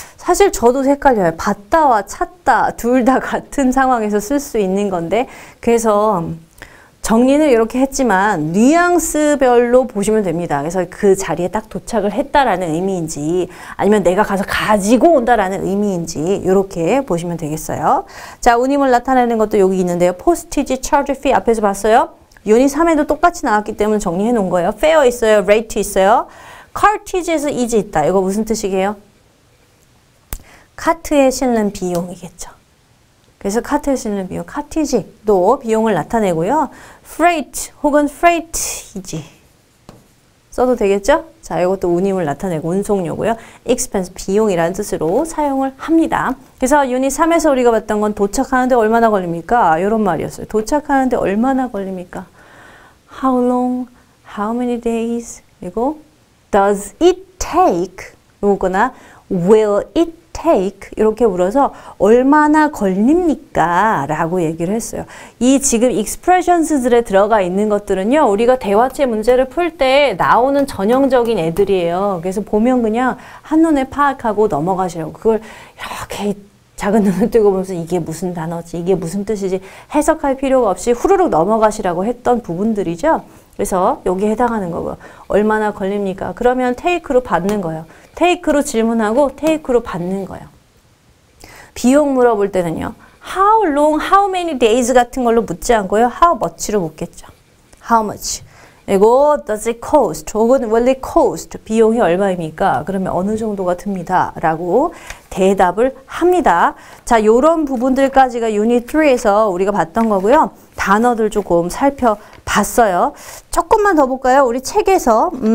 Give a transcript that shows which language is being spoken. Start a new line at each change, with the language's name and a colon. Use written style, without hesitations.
Korean: 사실 저도 헷갈려요. 받다와 찾다 둘 다 같은 상황에서 쓸 수 있는 건데 그래서 정리는 이렇게 했지만 뉘앙스별로 보시면 됩니다. 그래서 그 자리에 딱 도착을 했다라는 의미인지 아니면 내가 가서 가지고 온다라는 의미인지 이렇게 보시면 되겠어요. 자, 운임을 나타내는 것도 여기 있는데요.
English: postage charge fee
Korean: 앞에서 봤어요. 유닛 3에도 똑같이 나왔기 때문에 정리해 놓은 거예요. fare 있어요. rate 있어요. cartage에서 is 있다. 이거 무슨 뜻이에요? 카트에 실는 비용이겠죠. 그래서 카트에 실는 비용, 카티지도 비용을 나타내고요. freight 혹은 freight이지 써도 되겠죠? 자, 이것도 운임을 나타내고 운송료고요. expense 비용이라는 뜻으로 사용을 합니다. 그래서 유닛 3에서 우리가 봤던 건 도착하는데 얼마나 걸립니까? 이런 말이었어요. 도착하는데 얼마나 걸립니까?
English: How long? How many days? 그리고 Does it take? 묻거나 Will it take?
Korean: 이렇게 물어서 얼마나 걸립니까? 라고 얘기를 했어요. 이 지금 expressions들에 들어가 있는 것들은요. 우리가 대화체 문제를 풀 때 나오는 전형적인 애들이에요. 그래서 보면 그냥 한눈에 파악하고 넘어가시라고 그걸 이렇게 작은 눈을 뜨고 보면서 이게 무슨 단어지? 이게 무슨 뜻이지? 해석할 필요가 없이 후루룩 넘어가시라고 했던 부분들이죠. 그래서 여기에 해당하는 거고요. 얼마나 걸립니까? 그러면 테이크로 받는 거예요. 테이크로 질문하고 테이크로 받는 거예요. 비용 물어볼 때는요.
English: How long, how many days
Korean: 같은 걸로 묻지 않고요.
English: How much
Korean: 로 묻겠죠.
English: How much. 그리고 does it cost 혹은 will it cost.
Korean: 비용이 얼마입니까? 그러면 어느 정도가 듭니다. 라고 대답을 합니다. 자, 이런 부분들까지가 유닛 3에서 우리가 봤던 거고요. 단어들 조금 살펴봤어요. 조금만 더 볼까요? 우리 책에서